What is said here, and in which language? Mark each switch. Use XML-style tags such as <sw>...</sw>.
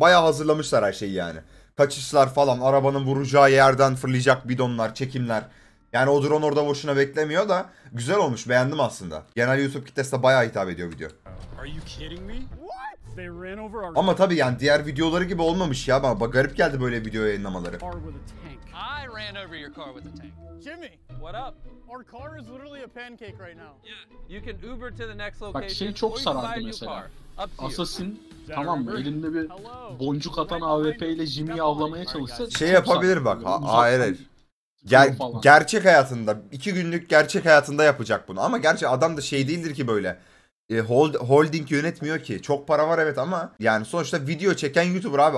<tr>Bayağı hazırlamışlar her şeyi yani. Kaçışlar falan, arabanın vuracağı yerden fırlayacak bidonlar, çekimler. Yani o drone orada boşuna beklemiyor da güzel olmuş, beğendim aslında. Genel YouTube kitlesine bayağı hitap ediyor video. Ama tabii yani diğer videoları gibi olmamış ya. Bana garip geldi böyle video yayınlamaları.</tr> <en>I ran over your car with a tank. Jimmy, what up? Our car is literally a pancake right now. You can Uber to the next location.</en> <tr>Bak şey çok sarardı mesela. Assassin tamam mı? Elinde bir boncuk atan AWP ile Jimmy'yi avlamaya çalışsa şey yapabilir bak. Hayır. Gerçek hayatında 2 günlük gerçek hayatında yapacak bunu. Ama gerçi adam da şey değildir ki böyle. holding yönetmiyor ki. Çok para var evet ama yani sonuçta video çeken YouTuber abi.</tr>